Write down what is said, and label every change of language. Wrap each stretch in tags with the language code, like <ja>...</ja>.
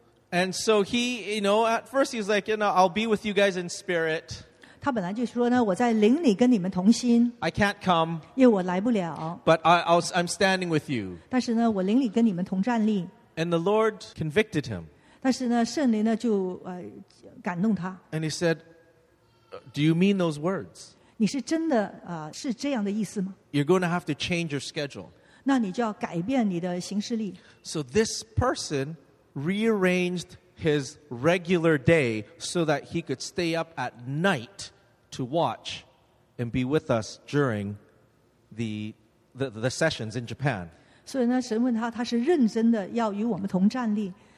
<en>And so he, you know, at first he's like, you know, I'll be with you guys in spirit.</en> <zh>他本来就说呢，我在灵里跟你们同心。</zh> <en>I can't come.</en> <zh>因为我来不了。</zh> <en>But I'm standing with you.</en> <zh>但是呢，我灵里跟你们同站立。</zh> <en>And the Lord convicted him.</en> <zh>但是呢，圣灵呢就感动他。</zh> <en>And he said, Do you mean those words?</en> <zh>你是真的是这样的意思吗？</zh> <en>You're going to have to change your schedule.</en> <zh>那你就要改变你的行事历。</zh> <en>So this person rearranged his regular day so that he could stay up at night to watch and be with us during the sessions in Japan.</en> <zh>所以呢，神问他，他是认真的要与我们同站立。</zh>